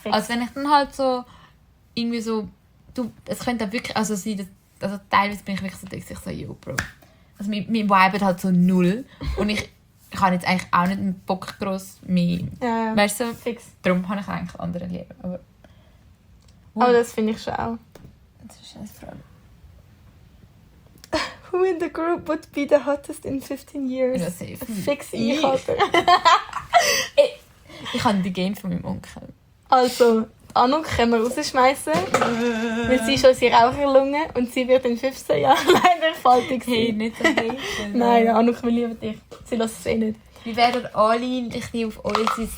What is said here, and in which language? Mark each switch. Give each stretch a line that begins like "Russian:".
German: als wenn ich dann halt so irgendwie so, du, es könnte auch wirklich also sein, dass, also teilweise bin ich wirklich so, denke ich so, yo, Bro. Also mein Vibe hat halt so null und ich habe jetzt eigentlich auch nicht einen Bock gross mehr. Ja, weißt du, fix. Darum habe ich eigentlich andere lieber. Aber das finde ich schon auch. Das ist eine Frage.
English: Who in the group would be the hottest in 15 years?
German: Ja, safe. Fix ich hatte. Ich habe die Game von meinem Onkel. Also, Anu können wir rausschmeißen. Weil sie schon sie Raucherlunge und sie wird in 15 Jahren leider faltig sein. Hey, nicht so nein, ja, Anu, wir lieben dich. Sie lassen es eh nicht. Wir werden alle ein bisschen auf unseren